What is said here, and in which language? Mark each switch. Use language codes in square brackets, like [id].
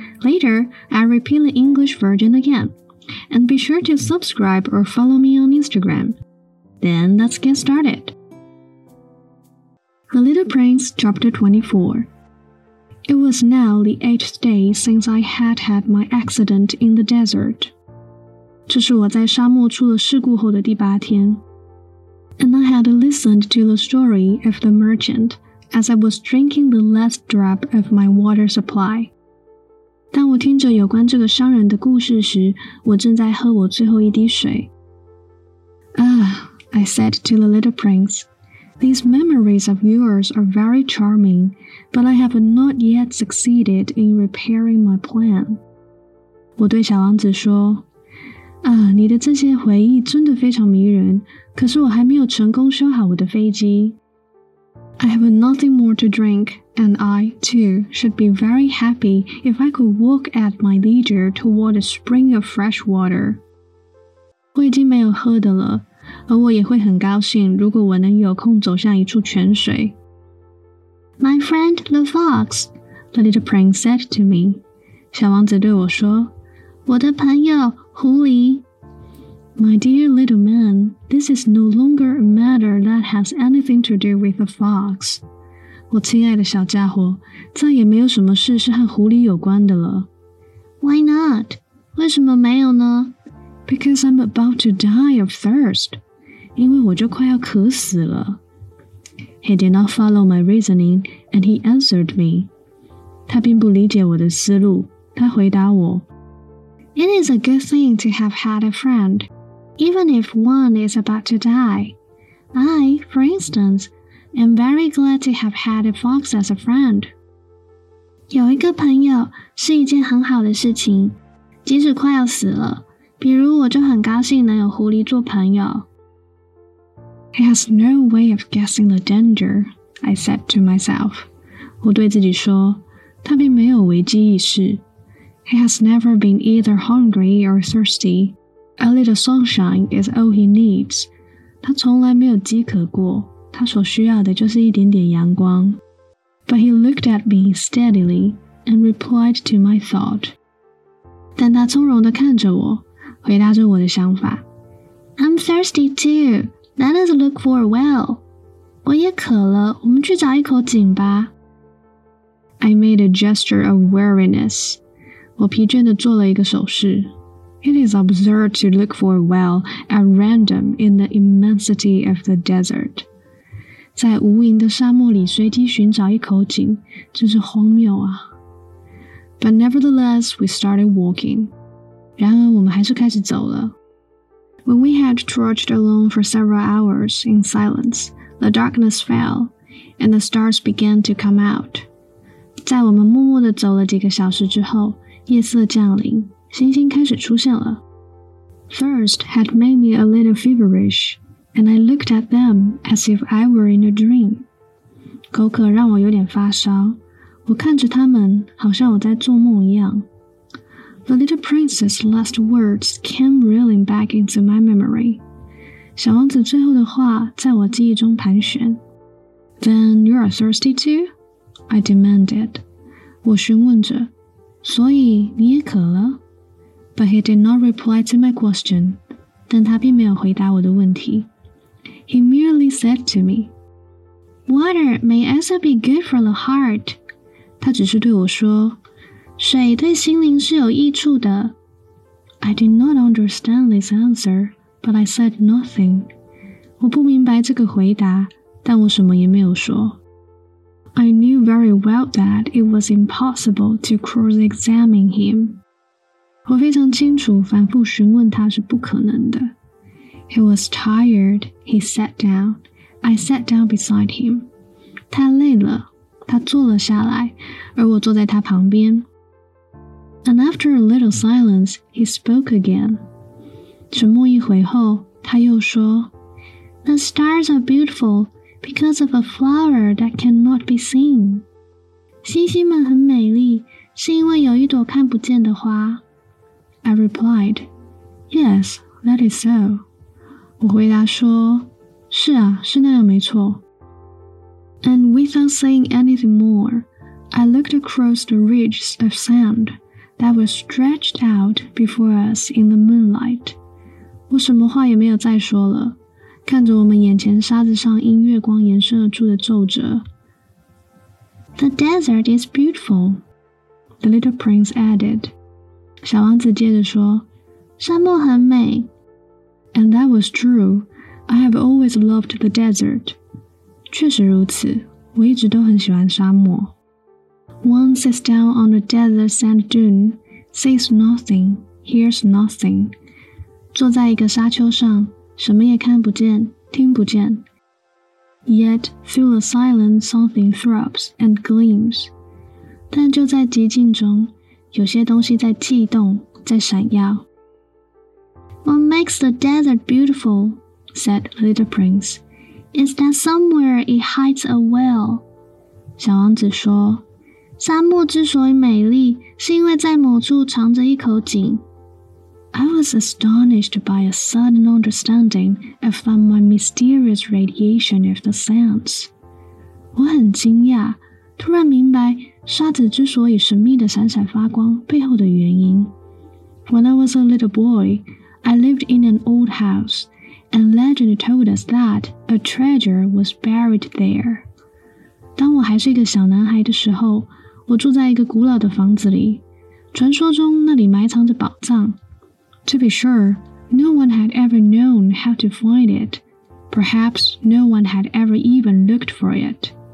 [en] Later, I'll repeat the English version again. And be sure to subscribe or follow me on Instagram. Then, let's get started. The Little Prince, Chapter 24. It was now the 8th day since I had my accident in the desert. [zh] 这是我在沙漠出了事故后的第八天。 [en] And I had listened to the story of the merchant as I was drinking the last drop of my water supply. [zh] 当我听着有关这个商人的故事时，我正在喝我最后一滴水。 [en] Ah, I said to the little prince, these memories of yours are very charming, but I have not yet succeeded in repairing my plan. [zh] 我对小王子说啊，你的这些回忆真的非常迷人，可是我还没有成功修好我的飞机。 [en] I have nothing more to drink, and I, too, should be very happy if I could walk at my leisure toward a spring of fresh water. [zh] 我已经没有喝的了，而我也会很高兴如果我能有空走向一处泉水。 [en] My friend, the fox, the little prince said to me. [zh] 小王子对我说，我的朋友狐狸。 [en] My dear little man, this is no longer a matter that has anything to do with a fox. [zh] 我亲爱的小家伙，再也没有什么事是和狐狸有关的了。 [en] Why not? [zh] 为什么没有呢？ [en] Because I'm about to die of thirst. [zh] 因为我就快要渴死了。 [en] He did not follow my reasoning, and he answered me. [zh] 他并不理解我的思路，他回答我。 [en] It is a good thing to have had a friend, even if one is about to die. I, for instance, am very glad to have had a fox as a friend. [zh] 有一个朋友是一件很好的事情，即使快要死了，比如我就很高兴能有狐狸做朋友。 [en] He has no way of guessing the danger, I said to myself. [zh] 我对自己说，他并没有危机意识。 [en] He has never been either hungry or thirsty. A little sunshine is all he needs. [zh] 他从来没有饥渴过，他所需要的就是一点点阳光。 [en] But he looked at me steadily and replied to my thought. [zh] 但他从容地看着我，回答着我的想法。 [en] I'm thirsty too. Let us look for a well. [zh] 我也渴了，我们去找一口井吧。 [en] I made a gesture of weariness. [zh] 我疲倦地做了一个手势。 [en] It is absurd to look for a well at random in the immensity of the desert. [zh] 在无垠的沙漠里随机寻找一口井，真是荒谬啊。 [en] But nevertheless, we started walking. [zh] 然而我们还是开始走了。 [en] When we had trudged along for several hours in silence, the darkness fell, and the stars began to come out. [zh] 在我们默默地走了几个小时之后，夜色降临，星星开始出现了。 [en] Thirst had made me a little feverish, and I looked at them as if I were in a dream. [zh] 口渴让我有点发烧，我看着他们，好像我在做梦一样。 [en] The little prince's last words came reeling back into my memory. [zh] 小王子最后的话在我记忆中盘旋。 [en] Then you are thirsty too? I demanded. [zh] 我询问着。所以你也渴了? [en] But he did not reply to my question. [zh] 但他并没有回答我的问题。 [en] He merely said to me, Water may also be good for the heart. [zh] 他只是对我说, 水对心灵是有益处的。 [en] I did not understand this answer, but I said nothing. [zh] 我不明白这个回答,但我什么也没有说。 [en] I knew very well that it was impossible to cross-examine him. [zh] 我非常清楚反复询问他是不可能的。 [en] He was tired, he sat down. I sat down beside him. [zh] 他累了,他坐了下来,而我坐在他旁边。 [en] And after a little silence, he spoke again. [zh] 沉默一回后,他又说, [en] The stars are beautiful. Because of a flower that cannot be seen. [zh] 星星们很美丽，是因为有一朵看不见的花。 [en] I replied, Yes, that is so. [zh] 我回答说，是啊，是那样没错。 [en] And without saying anything more, I looked across the ridges of sand that were stretched out before us in the moonlight. [zh] 我什么话也没有再说了，看着我们眼前沙子上因月光延伸而出的皱褶。 [en] The desert is beautiful, the little prince added. [zh] 小王子接着说，沙漠很美。 [en] And that was true, I have always loved the desert. [zh] 确实如此，我一直都很喜欢沙漠。 [en] One sits down on a desert sand dune, sees nothing, hears nothing. [zh] 坐在一个沙丘上，什么也看不见，听不见。 [en] Yet through the silence, something throbs and gleams. [zh] 但就在寂静中，有些东西在悸动，在闪耀。 [en] What makes the desert beautiful? Said the little prince. Is that somewhere it hides a well? [zh] 小王子说，沙漠之所以美丽，是因为在某处藏着一口井。 [en] I was astonished by a sudden understanding of my mysterious radiation of the sands. [zh] 我很惊讶，突然明白沙子之所以神秘的闪闪发光背后的原因。 [en] When I was a little boy, I lived in an old house. And legend told us that a treasure was buried there. [zh] 当我还是一个小男孩的时候，我住在一个古老的房子里，传说中那里埋藏着宝藏。 [en] To be sure, no one had ever known how to find it. Perhaps no one had ever even looked for it.